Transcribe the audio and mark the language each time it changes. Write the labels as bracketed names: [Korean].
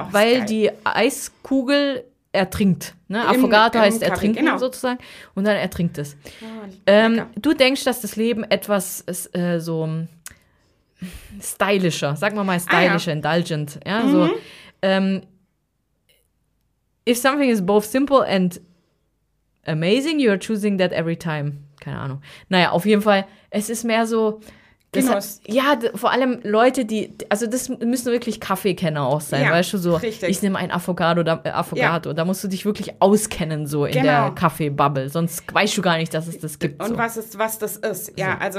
[German] Weil die Eiskugel ertrinkt. Ne? Affogato heißt ertrinken sozusagen. Und dann ertrinkt es. Oh, du denkst, dass das Leben etwas so stylischer, sagen wir mal stylischer, indulgent. Ja, so. [English] If something is both simple and amazing, you're choosing that every time. [German] Keine Ahnung. Naja, auf jeden Fall, es ist mehr so. Genuss. Vor allem Leute, die. Also, das müssen wirklich Kaffeekenner auch sein, weißt du? So, richtig. Ich nehme ein Affogato. Da musst du dich wirklich auskennen, so in der Kaffeebubble. Sonst weißt du gar nicht, dass es das gibt. Und so. Was das ist. Ja, so.